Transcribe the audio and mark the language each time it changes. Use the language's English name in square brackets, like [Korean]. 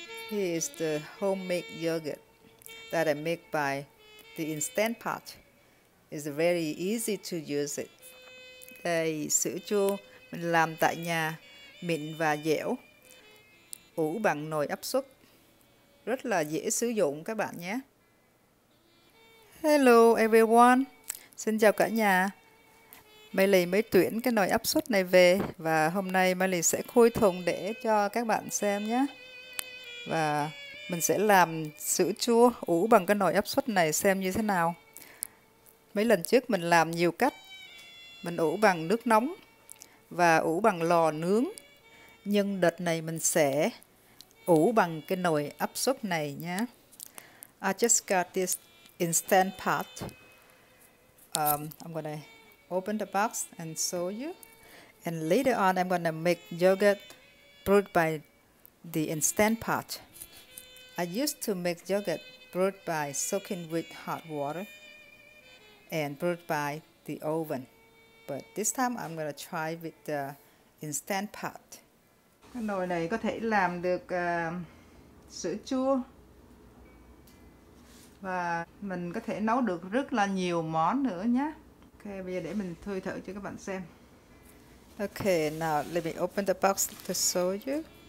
[English] Here is the homemade yogurt that I make by the Instant Pot. It's very easy to use it. [Vietnamese] Đây, sữa chua mình làm tại nhà, mịn và dẻo. Ủ bằng nồi áp suất. Rất là dễ sử dụng các bạn nhé. [English] Hello everyone. [Vietnamese] Xin chào cả nhà. Miley mới tuyển cái nồi áp suất này về và hôm nay Miley sẽ khui thùng để cho các bạn xem nhé. Và mình sẽ làm sữa chua ủ bằng cái nồi áp suất này xem như thế nào. Mấy lần trước mình làm nhiều cách. Mình ủ bằng nước nóng và ủ bằng lò nướng. Nhưng đợt này mình sẽ ủ bằng cái nồi áp suất này nhé. [English] I just got this Instant Pot. I'm gonna open the box and show you. And later on I'm gonna make yogurt brewed by the Instant Pot. I used to make yogurt brewed by soaking with hot water and brewed by the oven. But this time I'm gonna try with the Instant Pot. [Vietnamese] Cái nồi này có thể làm được sữa chua. Và mình có thể nấu được rất là nhiều món nữa nhé. Ok, bây giờ để mình thử cho các bạn xem. [English] Ok, now let me open the box to show you.